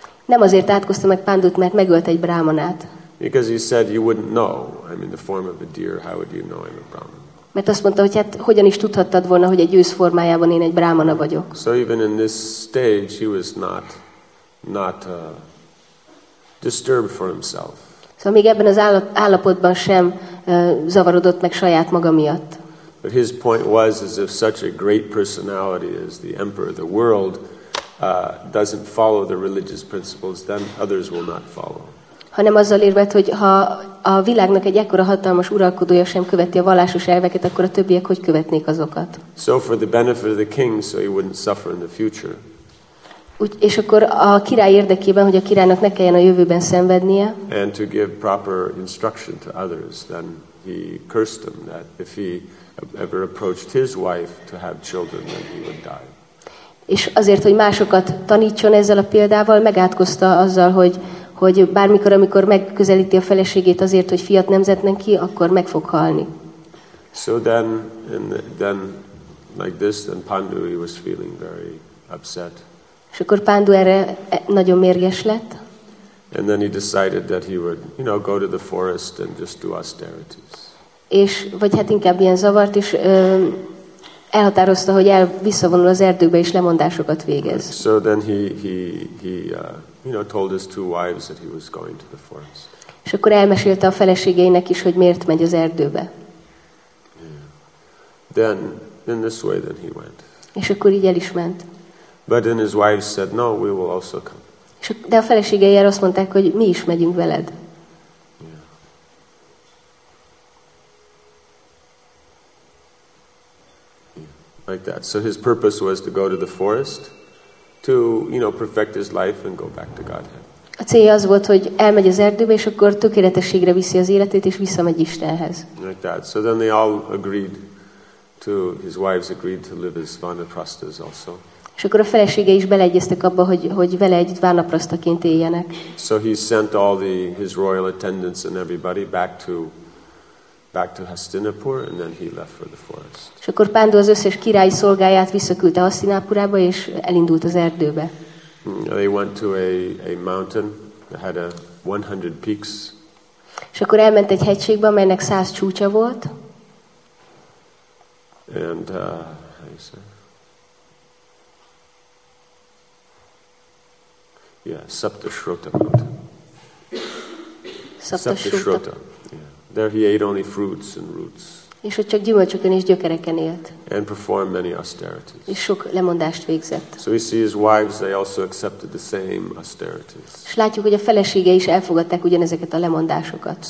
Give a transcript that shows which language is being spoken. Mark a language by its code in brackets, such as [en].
[hu] Nem azért átkozta meg Pandut, mert megölt egy brámanát. [en] Because he said you wouldn't know. I'm in the form of a deer. How would you know I'm a brahman? [hu] Mert azt mondta, hogy hát hogyan is tudhattad volna, hogy egy ősz formájában én egy brámana vagyok. [en] So even in this stage he was not disturbed for himself. [hu] Szóval még ebben az állapotban sem zavarodott meg saját maga miatt. [en] But his point was as if such a great personality as the emperor of the world doesn't follow the religious principles, then others will not follow. [hu] hanem azzal érvelt, hogy ha a világnak egy ekkora hatalmas uralkodója sem követi a vallásos elveket, akkor a többiek hogy követnék azokat? [en] So for the benefit of the king, so he wouldn't suffer in the future. [hu] És akkor a király érdekében, hogy a királynak ne kelljen a jövőben szenvednie. [en] And to give proper instruction to others, then he cursed them that if he ever approached his wife to have children, then he would die. [hu] És azért, hogy másokat tanítson ezzel a példával, megátkozta azzal, hogy bármikor, amikor megközelíti a feleségét azért, hogy fiat nemzetnen ki, akkor meg fog halni. [en] So then like this, then Pandu was feeling very upset. [hu] És akkor Pandu erre nagyon mérges lett. [en] And then he decided that he would, you know, go to the forest and just do austerities. [hu] És vagy hát inkább ilyen zavart, és elhatározta, hogy visszavonul az erdőbe és lemondásokat végez. [en] Right. So then he told his two wives that he was going to the forest. [hu] És akkor elmesélte a feleségeinek is, hogy miért megy az erdőbe. [en] Yeah. Then in this way then he went. [hu] És akkor így el is ment. [en] But then his wives said, no, we will also come. [hu] De a feleségei erre azt mondták, hogy mi is megyünk veled. [en] Like that. So his purpose was to go to the forest to, you know, perfect his life and go back to Godhead. [hu] A célja az volt, hogy elmegy az erdőbe, és akkor tökéletességre viszi az életét, és visszamegy Istenhez. [en] Like that. So then they all agreed to, his wives agreed to live as vanaprasthas also. [hu] És akkor a felesége is beleegyeztek abba, hogy vele együtt vánaprasztaként éljenek. [en] So he sent all his royal attendants and everybody back to Hastinapur, and then he left for the forest. [hu] És akkor Pandu az összes királyi szolgáját visszaküldte Hasztinápurába, és elindult az erdőbe. [en] And they went to a mountain that had a 100 peaks. [hu] És akkor elment egy hegységbe, amelynek 100 csúcsa volt. [en] And how you say? Yeah, Saptashrota mountain. Saptashrota. There he ate only fruits and roots. [hu] És ott csak gyümölcsökön és gyökereken élt. [en] And performed many austerities. [hu] És sok lemondást végzett. [en] So we see his wives, they also accepted the same austerities. [hu] És látjuk, hogy a felesége is elfogadták ugyanezeket a lemondásokat.